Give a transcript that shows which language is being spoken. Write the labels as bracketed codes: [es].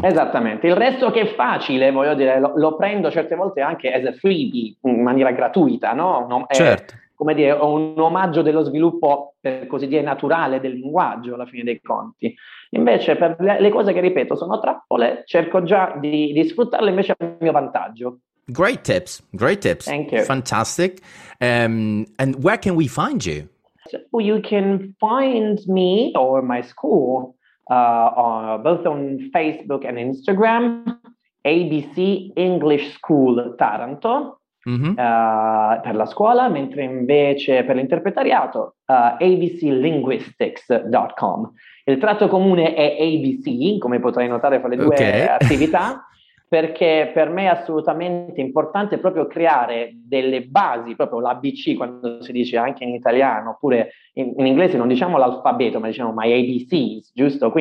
[it] Esattamente, il resto che è facile, voglio dire, lo prendo certe volte anche [en] as a freebie, [it] in maniera gratuita, no? Certo. Come dire, ho un omaggio dello sviluppo, per così dire, naturale del linguaggio, alla fine dei conti. Invece, per le cose che ripeto sono trappole, cerco già di sfruttarle invece a mio vantaggio. [en] Great tips. Thank you. Fantastic. And where can we find you? So you can find me or my school both on Facebook and Instagram, ABC English School Taranto. [it] per la scuola, mentre invece per l'interpretariato, abclinguistics.com. Il tratto comune è ABC, come potrai notare fra le due attività, perché per me è assolutamente importante proprio creare delle basi, proprio l'ABC, quando si dice anche in italiano, oppure in inglese non diciamo l'alfabeto, ma diciamo [en] my ABCs, [it] giusto?